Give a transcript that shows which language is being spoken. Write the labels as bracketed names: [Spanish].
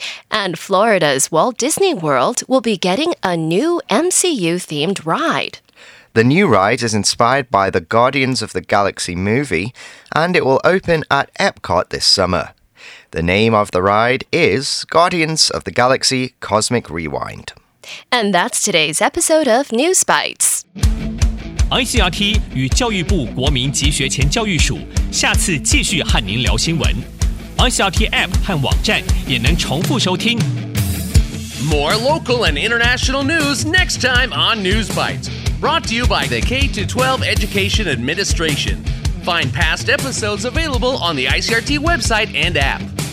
[English] And Florida's Walt Disney World will be getting a new MCU-themed ride. The new ride is inspired by the Guardians of the Galaxy movie, and it will open at Epcot this summer. The name of the ride is Guardians of the Galaxy Cosmic Rewind. And that's today's episode of News Bites. [Chinese] ICRT 与教育部国民及学前教育署下次继续和您聊新闻。 ICRT App 和网站也能重复收听。 [English] More local and international news next time on News Bites, brought to you by the K-12 Education Administration. Find past episodes available on the ICRT website and app.